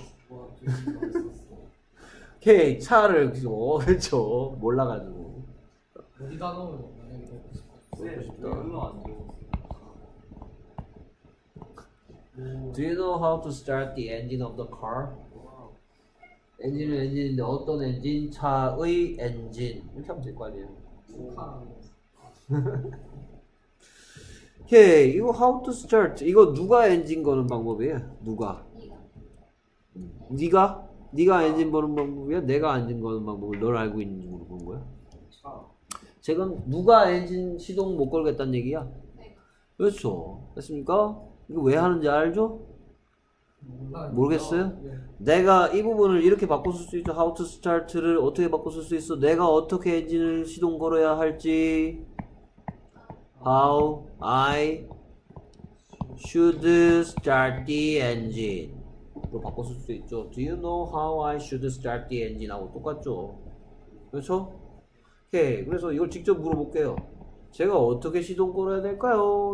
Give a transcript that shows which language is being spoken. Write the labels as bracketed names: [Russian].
[Korean] 오케이, 차를 그렇죠. 몰라가지고 어디다 넣으면 되나? 싶다. [English] Do you know how to start the engine of the car? [Korean] 엔진은 엔진인데 어떤 엔진? 차의 엔진. 이렇게 하면 될 거 아니에요? 오케이, 이거 [English] how to start. [Korean] 이거 누가 엔진 거는 방법이에요? 누가? 네가? 네가 엔진 거는 방법이야? 내가 엔진 거는 방법을 널 알고 있는지 물어보는 거야? 지금 누가 엔진 시동 못 걸겠다는 얘기야? 그렇죠. 됐습니까? 이거 왜 하는지 알죠? 모르겠어요? 내가 이 부분을 이렇게 바꿨을 수 있죠. [English] How to start [Korean] 를 어떻게 바꿨을 수 있어? 내가 어떻게 엔진을 시동 걸어야 할지. [English] How I should start the engine [Korean] 로 바꿨을 수 있죠. [English] Do you know how I should start the engine [Korean] 하고 똑같죠? 그렇죠? 오케이. 그래서 이걸 직접 물어볼게요. 제가 어떻게 시동 걸어야 될까요?